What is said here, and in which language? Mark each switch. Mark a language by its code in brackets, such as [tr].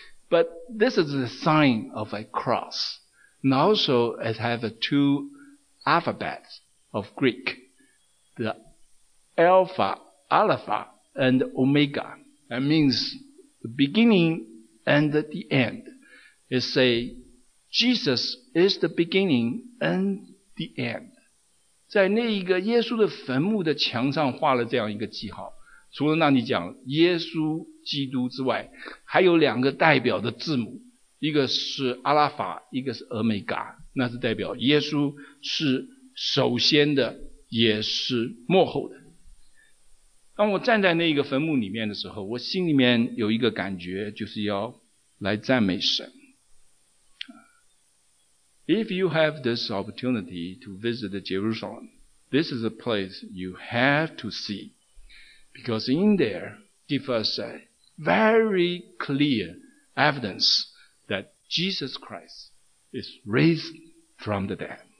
[en] But this is the sign of a cross. And also it has two alphabets of Greek. The Alpha, Alpha, and Omega. That means the beginning and the end. It say, Jesus is the beginning and the end. [zh] 在那一个耶稣的坟墓的墙上画了这样一个记号，除了那里讲耶稣基督之外，还有两个代表的字母，一个是阿拉法，一个是俄美嘎，那是代表耶稣是首先的，也是末后的。当我站在那个坟墓里面的时候，我心里面有一个感觉，就是要来赞美神。 [en] If you have this opportunity to visit Jerusalem, this is a place you have to see. Because in there, give us a very clear evidence that Jesus Christ is raised from the dead.